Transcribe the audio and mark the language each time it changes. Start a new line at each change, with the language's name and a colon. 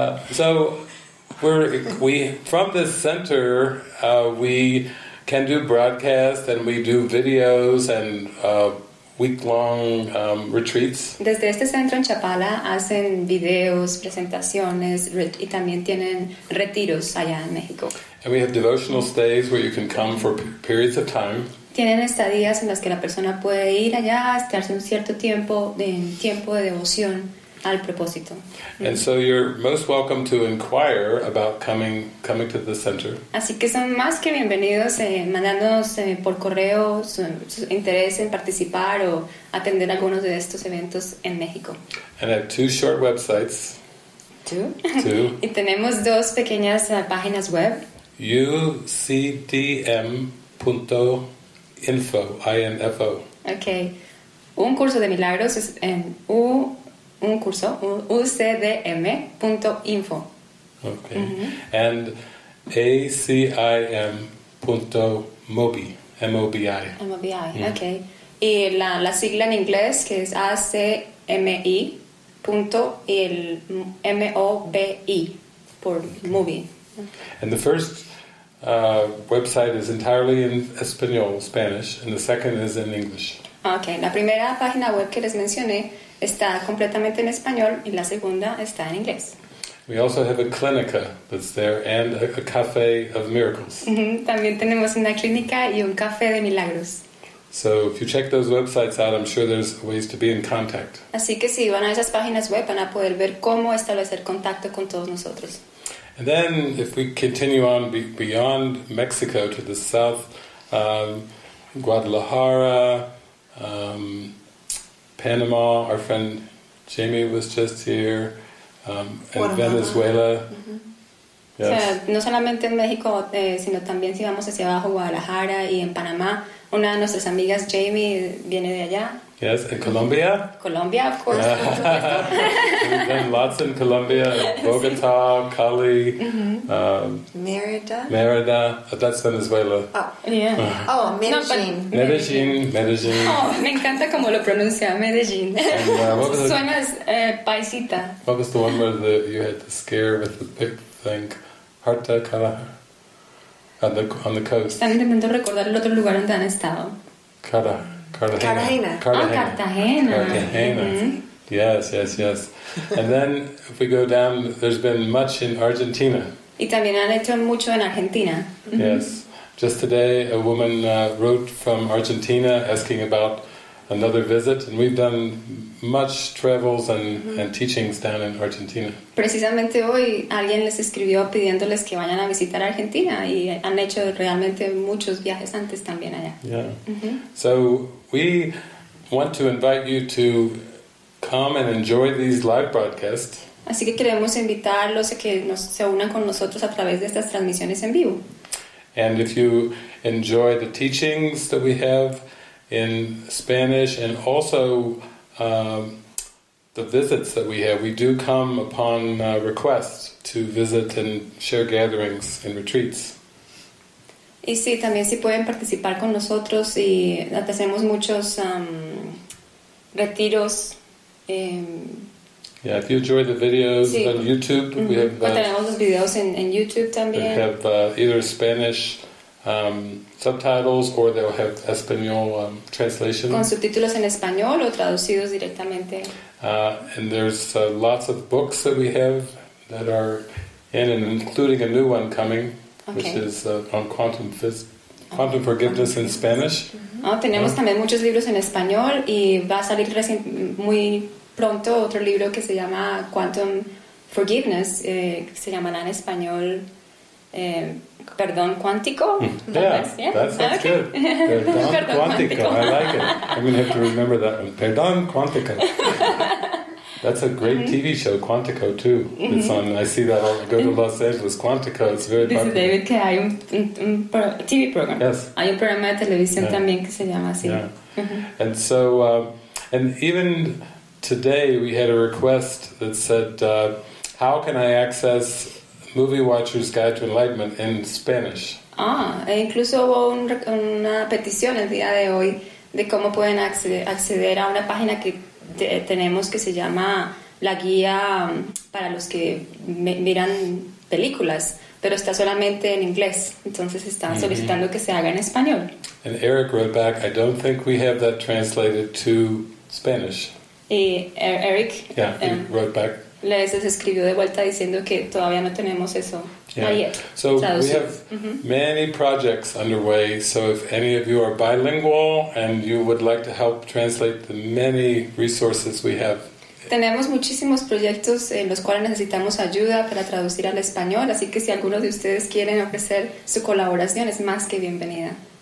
English: So we from this center we can do broadcasts and we do videos and week-long retreats.
Spanish: Desde este centro en Chapala hacen videos, presentaciones y también tienen retiros allá en México.
English: And we have devotional stays where you can come for periods of time.
Spanish: Tienen estadías en las que la persona puede ir allá, estarse un cierto tiempo, en tiempo de devoción al propósito.
English: And so you're most welcome to inquire about coming to the center.
Spanish: Así que son más que bienvenidos mandándonos por correo su interés en participar o atender algunos de estos eventos en México.
English: And I have two short websites. Two.
Spanish: Y tenemos dos pequeñas páginas web.
English: UCDM.info, info. Okay.
Spanish: Un curso de milagros es en UCDM.info.
English: Okay. Mm-hmm. And ACIM.mobi, M-O-B-I. M-O-B-I, mm-hmm. Okay.
Spanish: Y la sigla en inglés que es ACMI punto y el M-O-B-I por okay.
English: Mobi. And the first website is entirely in español, Spanish, and the second is in English.
Spanish: Okay, la primera página web que les mencioné está completamente en español y la segunda está en inglés.
English: We also have a clínica that's there and a café of miracles.
Spanish: También tenemos una clínica y un café de milagros.
English: So if you check those websites out, I'm sure there's ways to be in contact.
Spanish: Así que si van a esas páginas web van a poder ver cómo establecer contacto con todos nosotros.
English: And then if we continue on beyond Mexico to the south, Guadalajara, Panama, our friend Jamie was just here, and Venezuela. Mm-hmm. Yes.
Spanish: O sea, no solamente en México, sino también si vamos hacia abajo, Guadalajara y en Panamá. Una de nuestras amigas, Jamie, viene de allá.
English: Yes, in Colombia. Colombia, of course. We've done lots in Colombia, Bogota, Cali. Mm-hmm. Merida. That's Venezuela. Oh, yeah. Oh, Medellin. No, Medellin.
Spanish: Oh, me encanta cómo lo pronuncia, Medellin. Suenas paisita.
English: What was the one where you had the scare with the big thing? Harta, Cala, on the coast.
Spanish: Están intentando recordar el otro lugar donde han estado.
English: Cala. Cartagena. Mm-hmm. Yes. And then if we go down, there's been much in Argentina.
Spanish: Y también han hecho mucho en Argentina.
English: Mm-hmm. Yes. Just today, a woman wrote from Argentina asking about another visit, and we've done much travels and teachings down in Argentina.
Spanish: Precisamente hoy alguien les escribió pidiéndoles que vayan a visitar Argentina, y han hecho realmente muchos viajes antes también allá.
English: So we want to invite you to come and enjoy these live broadcasts.
Spanish: Así que queremos invitarlos a que se unan con nosotros a través de estas transmisiones en vivo.
English: And if you enjoy the teachings that we have in Spanish, and also the visits that we have, we do come upon request to visit and share gatherings and retreats.
Spanish: Y sí, también si pueden participar con nosotros, y hacemos muchos retiros.
English: Yeah, if you enjoy the videos on YouTube, we have.
Spanish: Tenemos los videos en YouTube también.
English: We have either Spanish subtitles, or they'll have Espanol translations.
Spanish: Con subtítulos en español o traducidos directamente.
English: And there's lots of books that we have that are in, and including a new one coming, which is on quantum forgiveness in Spanish.
Spanish: Tenemos también muchos libros en español, y va a salir muy pronto otro libro que se llama Quantum Forgiveness, que se llamará en español, perdón, cuántico.
English: That's good.
Spanish: Perdón cuántico.
English: I like it. I'm going to have to remember that one.
Spanish: Perdón cuántico.
English: That's a great TV show, Quantico, too. It's on, I see that all go to Los Angeles. Quantico, it's very popular.
Spanish: Dice David que hay un
English: TV program. Yes.
Spanish: Hay un programa de televisión también que se llama así.
English: And so, and even today we had a request that said, how can I access Movie Watchers Guide to Enlightenment in Spanish?
Spanish: E incluso hubo una petición el día de hoy de cómo pueden acceder a una página que tenemos que se llama La Guía para los que miran películas, pero está solamente en inglés, entonces están solicitando que se haga en español.
English: And Eric wrote back, I don't think we have that translated to Spanish.
Spanish: Y Eric
English: wrote back,
Spanish: les escribió de vuelta diciendo que todavía no tenemos eso.
English: So we have many projects underway, so if any of you are bilingual and you would like to help translate the many resources we have.
Spanish: Tenemos muchísimos proyectos en los cuales necesitamos ayuda para traducir al español, así que si algunos de ustedes quieren ofrecer su colaboración, es más que bienvenida.